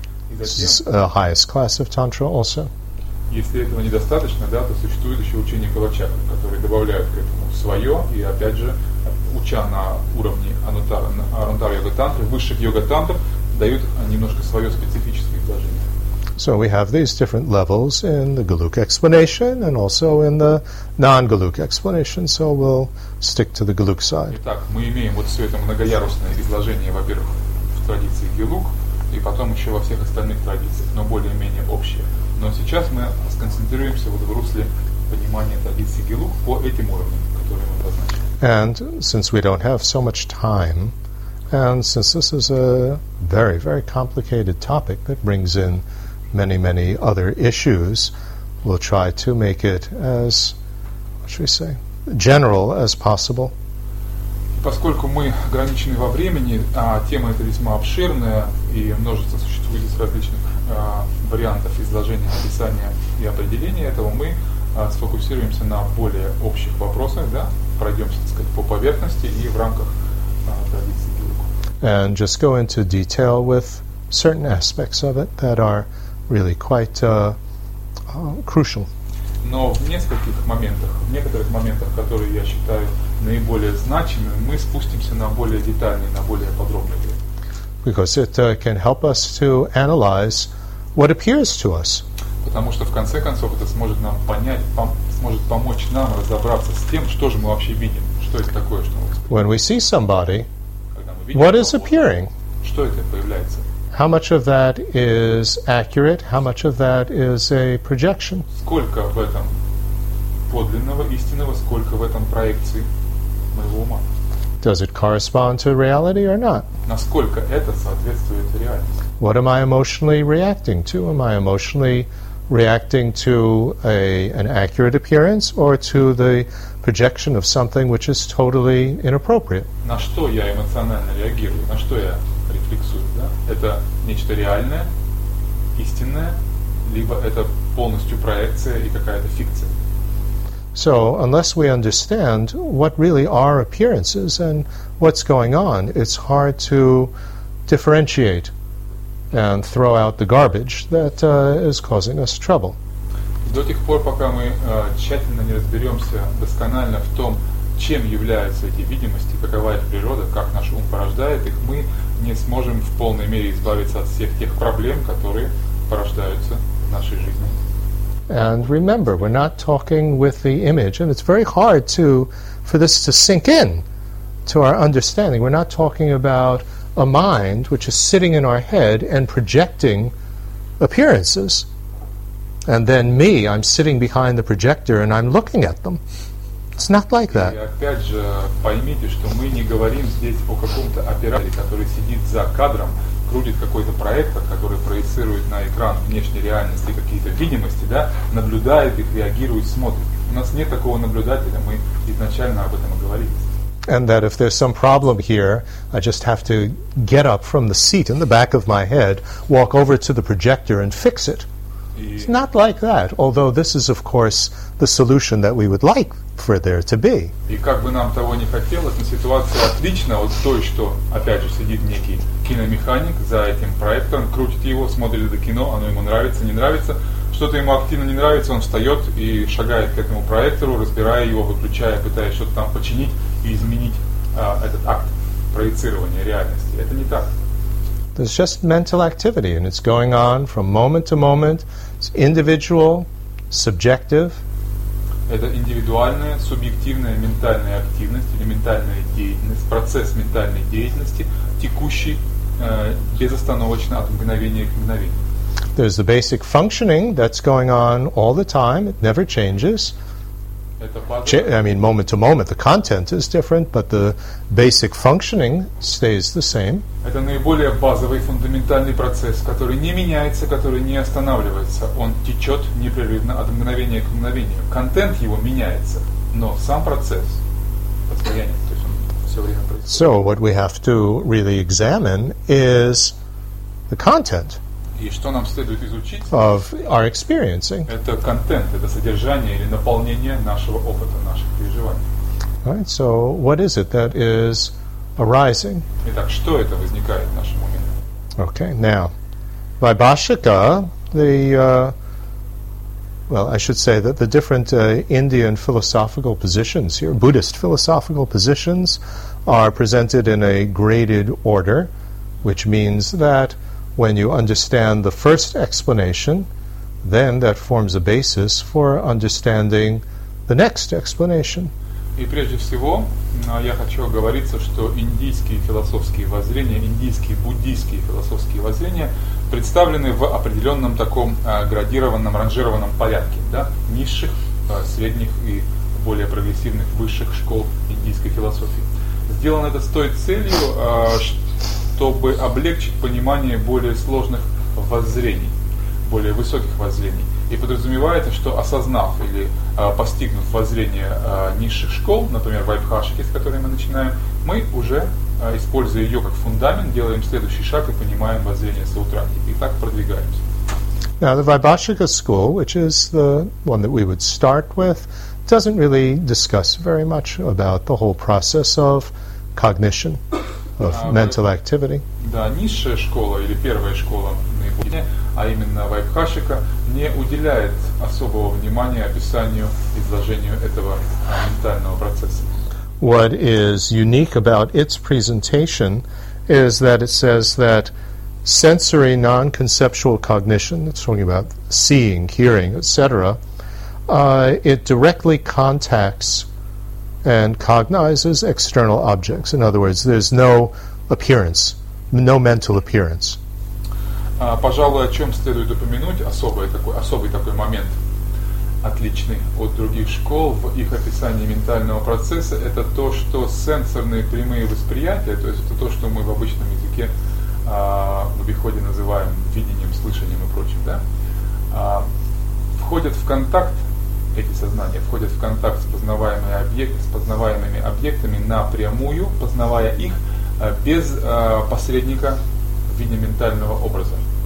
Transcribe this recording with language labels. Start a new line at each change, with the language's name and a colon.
English: This is the highest class of tantra also.
Russian: Если этого недостаточно, да, то существует еще учение Калачакры, которые добавляют к этому свое, и опять же, уча на уровне анутара-йога-тантры, высших йога-тантр, дают немножко свое специфическое изложение.
English: So we have these different levels in the gelug explanation and also in the non-gelug explanation, so we'll stick to the gelug side.
Russian: Итак, мы имеем вот все это многоярусное изложение, во-первых, в традиции гелуг, и потом еще во всех остальных традициях, но более-менее общее. Но сейчас мы сконцентрируемся вот в русле понимания традиции гелуг по этим уровням, которые мы обозначили.
English: And since we don't have so much time, and since this is a very, very complicated topic that brings in many, many other issues, we'll try to make it as, what should we say, general as possible.
Russian: Поскольку мы ограничены во времени, а тема эта весьма обширная, и множество существует из различных вариантов изложения, описания и определения этого, мы сфокусируемся на более общих вопросах, да, пройдемся, так сказать, по поверхности и в рамках традиции гелуг.
English: And just go into detail with certain aspects of it that are really quite crucial.
Russian: Но в нескольких моментах, в некоторых моментах, которые я считаю наиболее значимыми, мы спустимся на более детальные, на более подробные.
English: Because it can help us to analyze what appears to us.
Russian: Потому что в конце концов это сможет нам понять, сможет помочь нам разобраться с тем, что же мы вообще видим, что это такое, что мы видим.
English: When we see somebody, what is appearing?
Russian: Что это появляется?
English: How much of that is accurate? How much of that is a projection?
Russian: Сколько в этом подлинного, истинного, сколько в этом проекции моего ума.
English: Does it correspond to reality or not?
Russian: Насколько это соответствует реальности?
English: What am I emotionally reacting to? Am I emotionally reacting to an accurate appearance or to the projection of something which is totally inappropriate?
Russian: На что я эмоционально реагирую? На что я рефлексую? Да? Это нечто реальное, истинное, либо это полностью проекция и какая-то фикция?
English: So, unless we understand what really are appearances and what's going on, it's hard to differentiate and throw out the garbage that is causing us trouble.
Russian: До тех пор, пока мы тщательно не разберемся досконально в том, чем являются эти видимости, какова их природа, как наш ум порождает их, мы не сможем в полной мере избавиться от всех тех проблем, которые порождаются в нашей жизни.
English: And remember, we're not talking with the image, and it's very hard to for this to sink in to our understanding. We're not talking about a mind which is sitting in our head and projecting appearances, and then me, I'm sitting behind the projector and I'm looking at them. It's not like that.
Russian: И опять же, поймите, что мы не говорим здесь о каком-то операторе, который сидит за кадром, крутит какой-то проектор, который проецирует на экран внешней реальности какие-то видимости, да, наблюдает их, реагирует, смотрит. У нас нет такого наблюдателя, мы изначально об этом и говорили.
English: And that if there's some problem here, I just have to get up from the seat in the back of my head, walk over to the projector and fix it. It's not like that, although this is, of course, the solution that we would like for there to be.
Russian: И как бы нам того не хотелось, но ситуация отлична от той, что, опять же, сидит некий киномеханик за этим проектором, крутит его, смотрит это кино, оно ему нравится, не нравится. Что-то ему активно не нравится, он встает и шагает к этому проектору, разбирая его, выключая, пытаясь что-то там починить и изменить этот акт проецирования реальности. Это не так.
English: It's just mental activity, and it's going on from moment to moment. It's individual, subjective.
Russian: Это индивидуальная, субъективная ментальная активность или ментальная деятельность, процесс ментальной деятельности, текущий безостановочно от мгновения к мгновению.
English: There's the basic functioning that's going on all the time. It never changes. Moment to moment, the content is different, but the basic functioning stays the same.
Russian: Это наиболее базовый фундаментальный процесс, который не меняется, который не останавливается. Он течет непрерывно от мгновения к мгновению. Контент его меняется, но сам процесс постоянен, то есть он все время происходит.
English: So what we have to really examine is the content.
Russian: И что нам следует изучить?
English: Of our experiencing.
Russian: Это контент, это содержание или наполнение нашего опыта, наших переживаний.
English: Right, so what is it that is arising?
Russian: Итак, что это возникает в нашем уме?
English: Okay, now, Vaibhashika, the different Indian philosophical positions here, Buddhist philosophical positions, are presented in a graded order, which means that when you understand the first explanation, then that forms a basis for understanding the next explanation.
Russian: И прежде всего, я хочу оговориться, что индийские философские воззрения, индийские буддийские философские воззрения представлены в определенном таком градированном, ранжированном порядке, да, низших, средних и более прогрессивных высших школ индийской философии. Сделано это с той целью, чтобы облегчить понимание более сложных воззрений, более высоких воззрений. И подразумевается, что осознав или постигнув воззрение низших школ, например, вайбхашики, с которой мы начинаем, мы уже, используя ее как фундамент, делаем следующий шаг и понимаем воззрение саутраки. И так продвигаемся.
English: Now, the Vaibhashika school, which is the one that we would start with, doesn't really discuss very much about the whole process of cognition. Of mental activity.
Russian: Да, низшая школа или первая школа наиболее, а именно Вайбхашика, не уделяет особого внимания описанию, изложению этого ментального процесса.
English: What is unique about its presentation is that it says that sensory non-conceptual cognition, it's talking about seeing, hearing, etc., it directly contacts and cognizes external objects. In other words, there's no appearance, no mental appearance.
Russian: Пожалуй, о чем следует упомянуть, особый такой момент, отличный от других школ в их описании ментального процесса, это то, что сенсорные прямые восприятия, то есть это то, что мы в обычном языке в обиходе называем видением, слышанием и прочим, да, входят в контакт, эти сознания входят в контакт с познаваемыми, с познаваемыми объектами напрямую, познавая их без посредника в виде ментального образа.